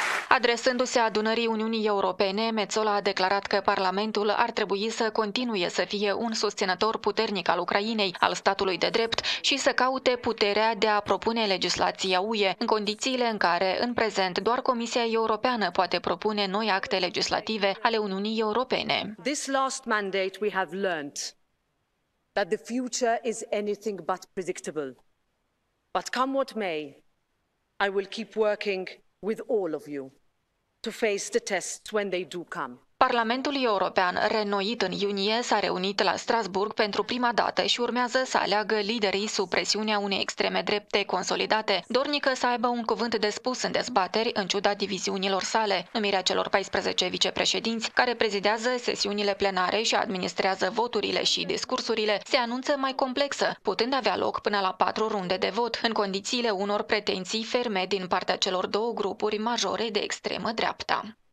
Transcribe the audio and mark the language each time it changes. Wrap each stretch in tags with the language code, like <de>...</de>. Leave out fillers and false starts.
<ro>Adresându-se adunării Uniunii Europene, Metsola a declarat că Parlamentul ar trebui să continue să fie un susținător puternic al Ucrainei, al statului de drept, și să caute puterea de a propune legislația UE, în condițiile în care, în prezent, doar Comisia Europeană poate propune noi acte legislative ale Uniunii Europene.</ro> <en>This last mandate we have learned that the future is anything but predictable. But come what may, I will keep working with all of you to face the tests when they do come.</en> <ro>Parlamentul European, reînnoit în iunie, s-a reunit la Strasburg pentru prima dată și urmează să aleagă liderii sub presiunea unei extreme drepte consolidate, dornică să aibă un cuvânt de spus în dezbateri, în ciuda diviziunilor sale. Numirea celor 14 vicepreședinți, care prezidează sesiunile plenare și administrează voturile și discursurile, se anunță mai complexă, putând avea loc până la 4 runde de vot, în condițiile unor pretenții ferme din partea celor două grupuri majore de extremă dreapta.</ro>